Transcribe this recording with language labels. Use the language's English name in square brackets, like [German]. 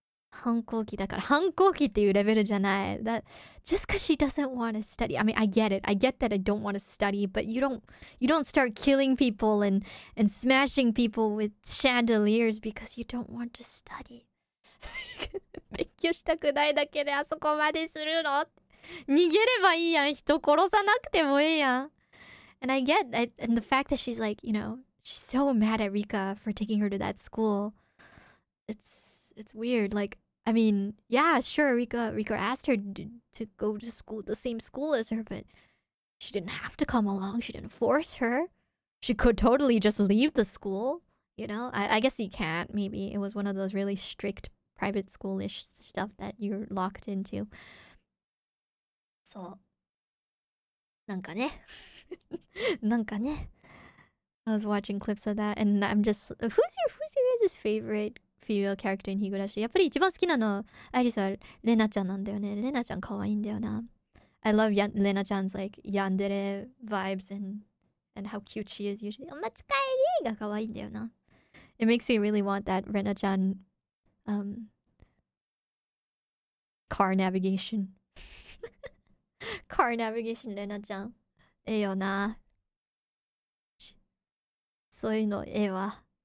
[Japanese] 反抗期だから、反抗期っていうレベルじゃない。 [English] Just cause she doesn't want to study. I mean, I get it. I get that I don't want to study, but you don't start killing people and smashing people with chandeliers because you don't want to study. [Japanese] 勉強したくないだけであそこまでするの？逃げればいいやん。人殺さなくてもいいやん。 [English] And the fact that she's like, you know, she's so mad at Rika for taking her to that school. It's weird. Like, I mean, yeah, sure, Rika asked her to go to school, the same school as her, but she didn't have to come along. She didn't force her. She could totally just leave the school, you know? I guess you can't, maybe. It was one of those really strict private schoolish stuff that you're locked into. [Japanese] So, なんかね。 [English] I was watching clips of that, and I'm just, who's your guys' favorite female character in Higurashi? [Japanese] やっぱり一番好きなのアリスはレナちゃんなんだよね。レナちゃん可愛いんだよな。 [English] I love ヤレナちゃん's like ヤンデレ vibes and how cute she is usually. [Japanese] お持ち帰りが可愛いんだよな。 [English] It makes me really want that レナちゃん car navigation. [Japanese] car navigation レナちゃん。ええよな。そういうのええわ。